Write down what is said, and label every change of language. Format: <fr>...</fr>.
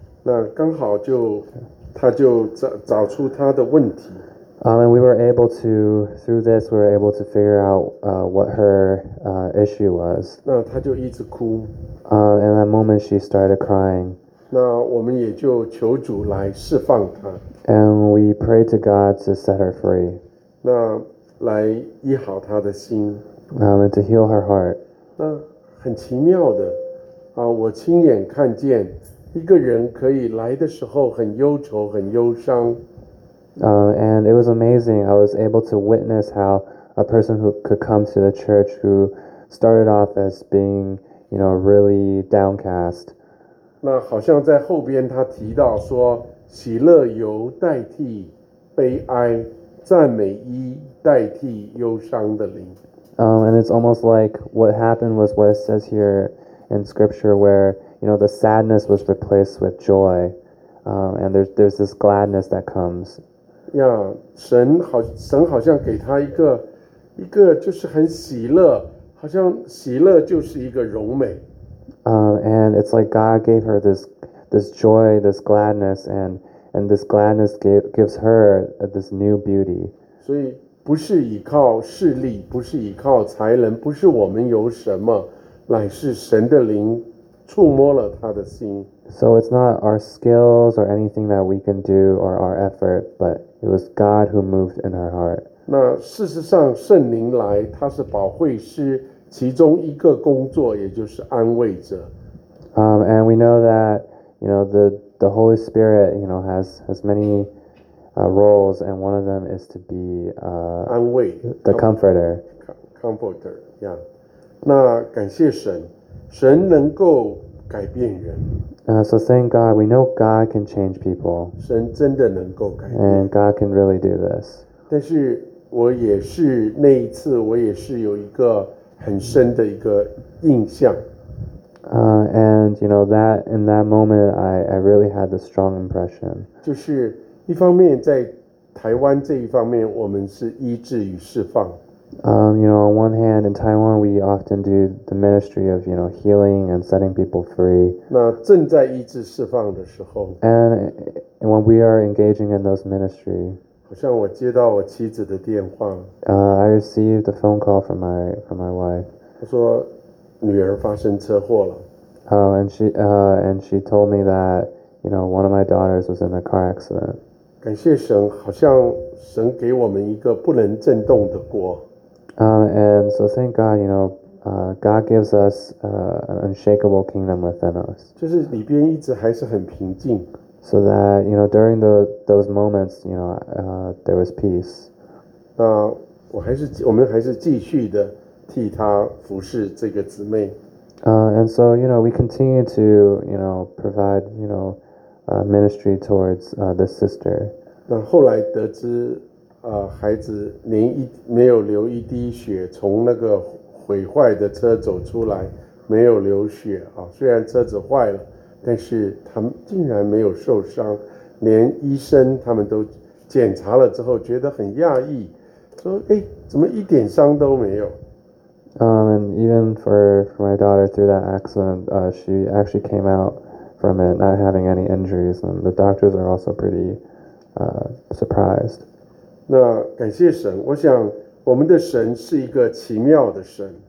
<zh>那刚好就他就找出他的问题。</zh> <en>And we were able to through this, we were able to figure out what her issue was.</en> <zh>那他就一直哭。</zh> <en>And that moment, she started crying.</en> <zh>那我们也就求主来释放他。</zh> <en>And we pray to God to set her free.</en> <zh>那来医好他的心。</zh> <en>And to heal her heart.</en> <zh>那很奇妙的，我亲眼看见一个人可以来的时候很忧愁、很忧伤。</zh> <en>And it was amazing. I was able to witness how a person who could come to the church who started off as being, you know, really downcast.</en> <zh>那好像在后边他提到说喜乐由代替悲哀赞美衣代替忧伤的灵。</zh> <en>And it's almost like what happened was what it says here in scripture where, you know, the sadness was replaced with joy. And there's this gladness that comes.</en> <zh>Yeah, 神好像给他一个就是很喜乐，好像喜乐就是一个荣美。</zh> <en>And it's like God gave her this joy, this gladness, and this gladness gives her this new beauty.</en> <zh>所以不是依靠势力，不是依靠才能，不是我们有什么，乃是神的灵触摸了他的心。</zh> <en>So it's not our skills or anything that we can do or our effort, but it was God who moved in her heart.</en> <zh>那事实上，圣灵来，他是保惠师其中一个工作，也就是安慰者。</zh> <en>And we know that, you know, the Holy Spirit, you know, has many, roles, and one of them is to be,</en> <zh>安慰</zh> <en>the comforter. Comforter, yeah.</en> <zh>那感谢神，神能够改变人。</zh> <en>So thank God, we know God can change people.</en> <zh>神真的能够改变。</zh> <en>And God can really do this.</en> <zh>但是我也是那一次，我也是有一个很深的一个印象。</zh> <en>And you know that in that moment, I really had the strong impression.</en> <zh>就是一方面在台湾这一方面，我们是医治与释放。</zh> <en>You know, on one hand, in Taiwan, we often do the ministry of, you know, healing and setting people free.</en> <zh>那正在医治释放的时候。</zh> <en>And when we are engaging in those ministry.</en> <zh>好像我接到我妻子的电话。</zh> <en>I received a phone call from my wife.</en> <zh>她说女儿发生车祸了。</zh> <en>And she told me that, you know, one of my daughters was in a car accident.</en> <zh>感谢神，好像神给我们一个不能震动的国。</zh> <en>And so thank God, you know, God gives us an unshakable kingdom within us.</en> <zh>就是里边一直还是很平静。</zh> <en>So that, you know, during those moments, you know, there was peace.</en> <zh>那我们还是继续的替他服侍这个姊妹。</zh> <en>And so, you know, we continue to, you know, provide, you know, ministry towards this sister.</en> <zh>那后来得知孩子连一没有流一滴血，从那个毁坏的车走出来，没有流血啊！虽然车子坏了，但是他们竟然没有受伤，连医生他们都检查了之后觉得很讶异，说：“哎，怎么一点伤都没有？”</zh> <en>And even for my daughter through that accident, she actually came out from it not having any injuries, and the doctors are also pretty, surprised.</en> <zh>那感谢神，我想我们的神是一个奇妙的神。</zh>